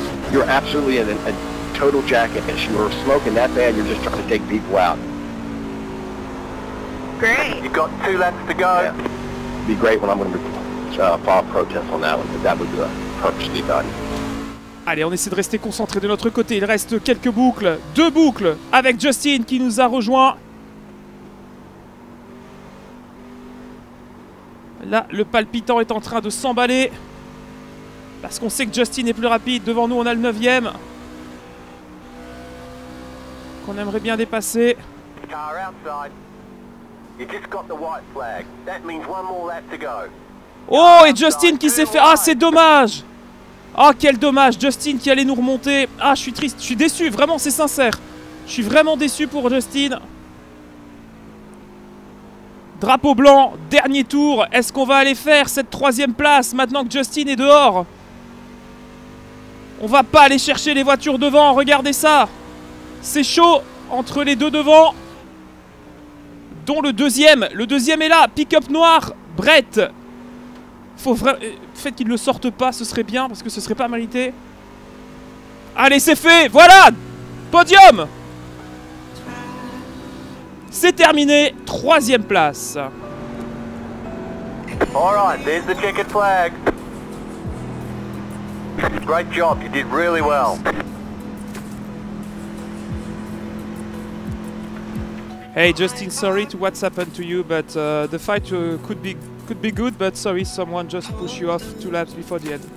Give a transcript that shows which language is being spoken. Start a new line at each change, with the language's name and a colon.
English: You're absolutely in a total jackass. You are smoking that bad. You're just trying to take people out. Great. You got two laps to go. Yeah. be great when I'm going to file a protest on that one, but that would be purposely done.
French: Allez, on essaie de rester concentré de notre côté. Il reste quelques boucles, deux boucles, avec Justin qui nous a rejoint. Là, le palpitant est en train de s'emballer. Parce qu'on sait que Justin est plus rapide. Devant nous, on a le 9e. Qu'on aimerait bien dépasser.
English: Car outside. You just got the white flag. That means one more lap to go.
French: Oh, et Justin qui s'est fait... Ah, c'est dommage. Oh, quel dommage. Justin qui allait nous remonter. Ah, je suis triste. Je suis déçu. Vraiment, c'est sincère. Je suis vraiment déçu pour Justin. Drapeau blanc, dernier tour. Est-ce qu'on va aller faire cette troisième place maintenant que Justin est dehors? On va pas aller chercher les voitures devant, regardez ça. C'est chaud entre les deux devant. Dont le deuxième. Le deuxième est là, pick-up noir, Brett. Faites qu'il ne le sorte pas, ce serait bien, parce que ce serait pas mérité. Allez, c'est fait, voilà. Podium. C'est terminé, troisième place.
English: Alright, there's the checkered flag. Great job, you did really well. Hey Justin, sorry to what's happened to you, but the fight could be good, but sorry, someone just pushed you off two laps before the end.